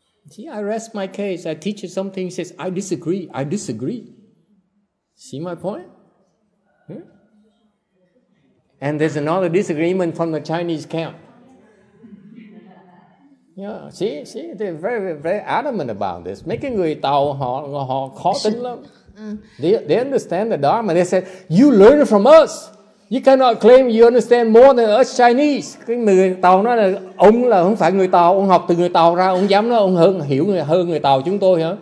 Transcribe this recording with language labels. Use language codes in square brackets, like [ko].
[en] See, I rest my case. I teach you something. He says, I disagree. I disagree. See my point? And there's another disagreement from the Chinese camp. Yeah, see, they're very, very adamant about this. [vi] Making người Tàu họ khó tính lắm. [en] They understand the Dharma. They said, you learn from us. You cannot claim you understand more than us Chinese. [vi] Cái người Tàu nói là, ông là không phải người Tàu, ông học từ người Tàu ra, ông dám nói ông hiểu hơn người Tàu chúng tôi hả?